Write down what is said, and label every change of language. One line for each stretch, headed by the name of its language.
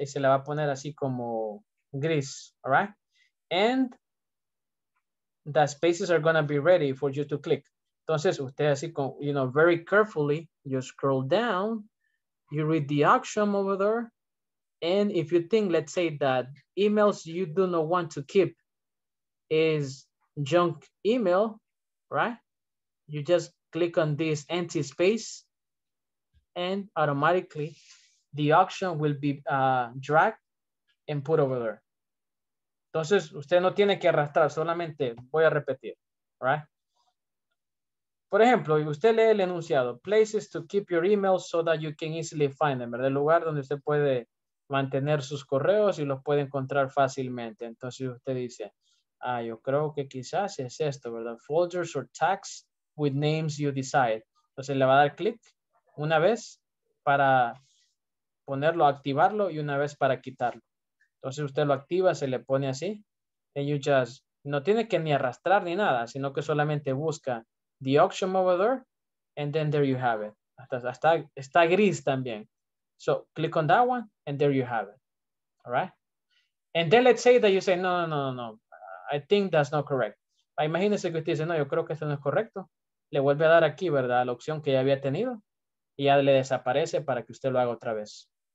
Spanish: Y se le va a poner así como gris.
English: All right? And the spaces are going to be ready for you to click. Entonces, usted así con, you know, very carefully, you scroll down, you read the option over there, and if you think, let's say, that emails you do not want to keep is junk email, right? You just click on this empty space, and automatically, the option will be dragged and put over there.
Spanish: Entonces, usted no tiene que arrastrar, solamente voy a repetir, right? Por ejemplo, usted lee el enunciado, places to keep your emails so that you can easily find them, ¿verdad? El lugar donde usted puede mantener sus correos y los puede encontrar fácilmente. Entonces usted dice, yo creo que quizás es esto, ¿verdad? Folders or tags with names you decide. Entonces le va a dar clic una vez para ponerlo, activarlo y una vez para quitarlo. Entonces usted lo activa, se le pone así.
English: And you just, no tiene que ni arrastrar ni nada, sino que solamente busca the option over there, and then there you have it.
Spanish: Está gris también.
English: So click on that one, and there you have it. All right? And then let's say that you say, no, I think that's not correct.
Spanish: Imagínese que usted dice, no, yo creo que esto no es correcto. Le vuelve a dar aquí, ¿verdad? La opción que ya había tenido, y ya le desaparece para que usted lo haga otra vez.